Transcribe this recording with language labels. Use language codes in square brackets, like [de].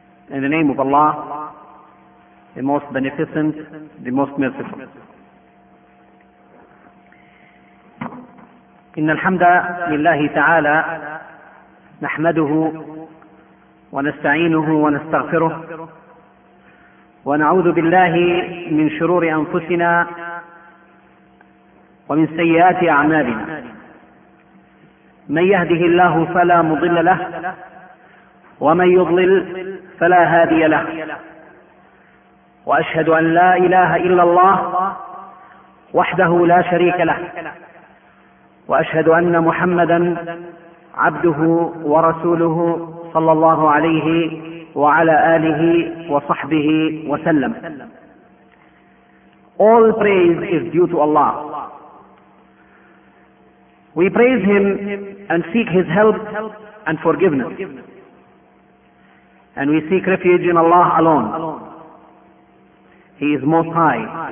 [en] In the name of Allah, the most beneficent, the most merciful. [ar] إن الحمد لله تعالى نحمده ونستعينه ونستغفره ونعوذ بالله من شرور أنفسنا ومن سيئات أعمالنا. من يهده الله فلا مضل له ومن يضلل فلا هادي له وأشهد أن لا إله إلا الله وحده لا شريك له وأشهد أن محمدا عبده ورسوله صلى الله عليه وعلى آله وصحبه وسلم. [en] All praise is due to Allah. We praise Him and seek His help and forgiveness. And we seek refuge in Allah alone. He is Most High.